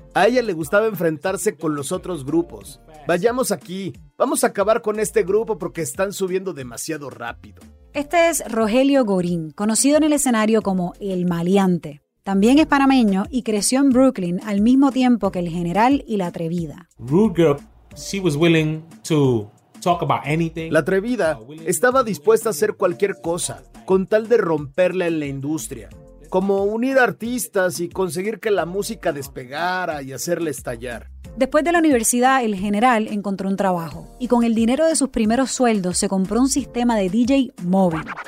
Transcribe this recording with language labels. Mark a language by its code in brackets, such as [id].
[es] A ella le gustaba enfrentarse con los otros grupos. Vayamos aquí. Vamos a acabar con este grupo porque están subiendo demasiado rápido. Este es Rogelio Gorín, conocido en el escenario como El Maleante. También es panameño y creció en Brooklyn al mismo tiempo que el general y la atrevida. [en] Rude Girl, she was willing to talk about anything. [es] La atrevida estaba dispuesta a hacer cualquier cosa con tal de romperla en la industria, como unir artistas y conseguir que la música despegara y hacerla estallar. Después de la universidad, el general encontró un trabajo y con el dinero de sus primeros sueldos se compró un sistema de DJ móvil.